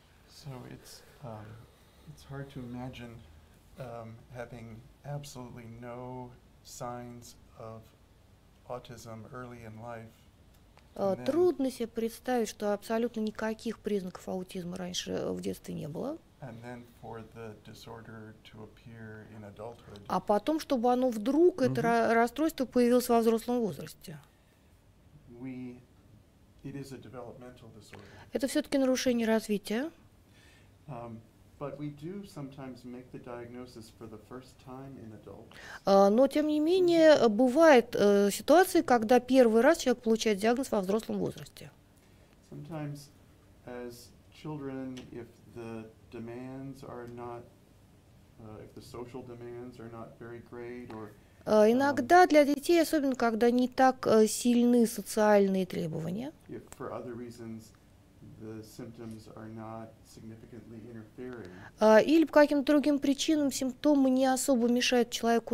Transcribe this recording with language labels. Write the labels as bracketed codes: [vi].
[en] So it's, it's hard to imagine having absolutely no signs of autism early in life. [ru] Трудно себе представить, что абсолютно никаких признаков аутизма раньше в детстве не было. [en] And then for the disorder to appear in adulthood. [ru] А потом, чтобы оно вдруг, mm-hmm. это расстройство, появилось во взрослом возрасте. [en] We, it is a developmental disorder. [ru] Это все-таки нарушение развития. [en] But we do sometimes make the diagnosis for the first time in adults. [ru] Но, тем не менее, бывают ситуации, когда первый раз человек получает диагноз во взрослом возрасте. [en] Sometimes as children, if the demands are not, if the social demands are not very great, or [ru] Иногда для детей, особенно когда не так сильны социальные требования, или по каким-то другим причинам симптомы не особо мешают человеку